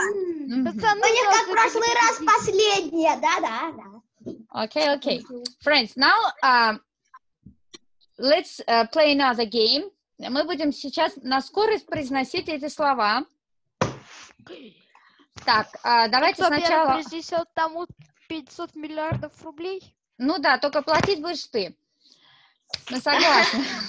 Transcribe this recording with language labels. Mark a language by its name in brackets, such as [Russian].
[Russian] Mm-hmm. У них как в прошлый раз последняя, да. [English] Okay. Friends, now let's play another game. [Russian] Мы будем сейчас на скорость произносить эти слова. Так, давайте кто сначала... Кто первый принесет тому 500 миллиардов рублей? Ну да, только платить будешь ты. Мы согласны.